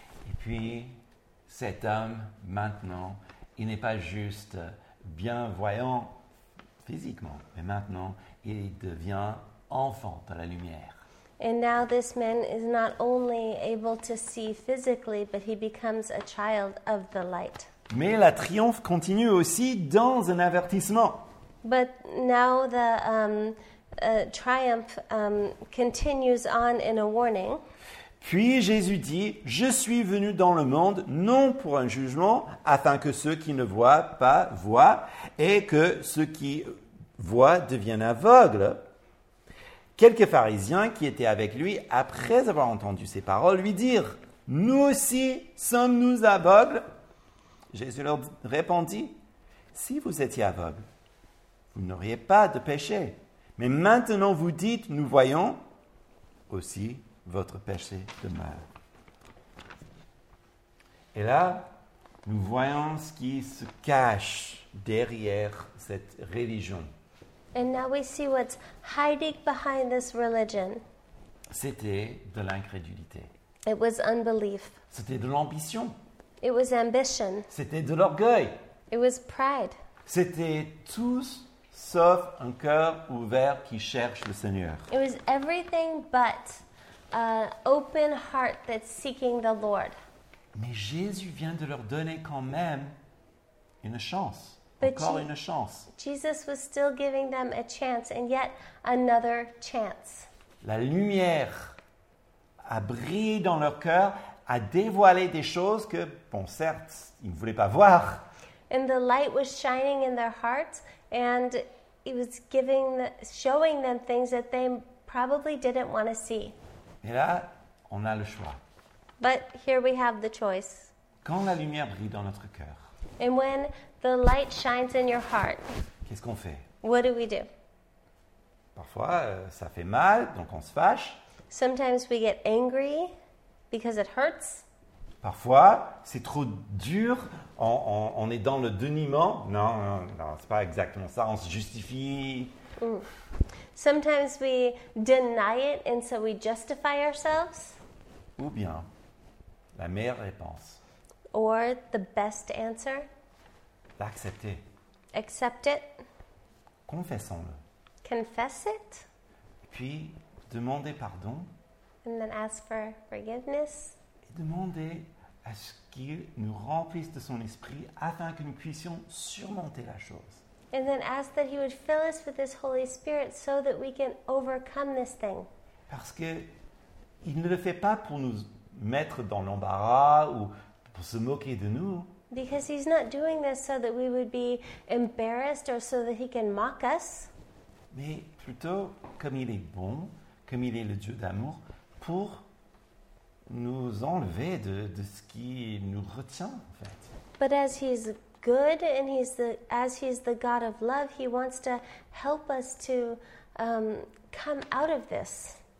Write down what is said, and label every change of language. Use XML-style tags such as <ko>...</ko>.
<fr>Et puis, cet homme, maintenant, il n'est pas juste bien voyant physiquement, mais maintenant, il devient enfant de la lumière.</fr> <en>And now this man is not only able to see physically, but he becomes a child of the light.</en> <fr>Mais la triomphe continue aussi dans un avertissement.</fr> <en>But now the triumph continues on in a warning.</en> <fr>Puis Jésus dit, je suis venu dans le monde non pour un jugement, afin que ceux qui ne voient pas voient, et que ceux qui voit devient aveugle. Quelques pharisiens qui étaient avec lui, après avoir entendu ces paroles, lui dirent, « Nous aussi sommes-nous aveugles ?» Jésus leur répondit, « Si vous étiez aveugle, vous n'auriez pas de péché. Mais maintenant vous dites, nous voyons aussi votre péché demeure. » Et là, nous voyons ce qui se cache derrière cette religion.</fr> <en>And now we see what's hiding behind this religion.</en> <fr>C'était de l'incrédulité.</fr> <en>It was unbelief.</en> <fr>C'était de l'ambition.</fr> <en>It was ambition.</en> <fr>C'était de l'orgueil.</fr> <en>It was pride.</en> <fr>C'était tout sauf un cœur ouvert qui cherche le Seigneur.</fr> <en>It was everything but an open heart that's seeking the Lord.</en> <fr>Mais Jésus vient de leur donner quand même une chance.</fr> <en>But</en> <fr>encore une chance.</fr> <en>Jesus was still giving them a chance and yet another chance.</en> <fr>La lumière a brillé dans leur cœur, a dévoilé des choses que, bon, certes, ils ne voulaient pas voir.</fr> <en>And the light was shining in their hearts and it was giving, showing them things that they probably didn't want to see.</en> <fr>Et là, on a le choix.</fr> <en>But here we have the choice.</en> <fr>Quand la lumière brille dans notre cœur.</fr> <en>And when the light shines in your heart.</en> <fr>Qu'est-ce qu'on fait?</fr> <en>What do we do?</en> <fr>Parfois, ça fait mal, donc on se fâche.</fr> <en>Sometimes we get angry because it hurts.</en> <fr>Parfois, c'est trop dur, on est dans le déniement. Non, c'est pas exactement ça, on se justifie.</fr> <en>Sometimes we deny it and so we justify ourselves.</en> <fr>Ou bien, la meilleure réponse.</fr> <en>Or the best answer.</en> <fr>L'accepter.</fr> <en>Accept it.</en> <fr>Confessons-le.</fr> <en>Confess it.</en> <fr>Puis, demandez pardon.</fr> <en>And then ask for forgiveness.</en> <fr>Et demandez à ce qu'il nous remplisse de son esprit afin que nous puissions surmonter la chose.</fr> <en>And then ask that he would fill us with his Holy Spirit so that we can overcome this thing.</en> <fr>Parce qu'il ne le fait pas pour nous mettre dans l'embarras ou pour se moquer de nous.</fr> <en>Because he's not doing this so that we would be embarrassed or so that he can mock us.</en> <fr>Mais plutôt, comme il est bon, comme il est le Dieu d'amour, pour nous enlever de ce qui nous retient, en fait.</fr> <en>But as he's good and as he's the God of love, he wants to help us to come out of this.</en>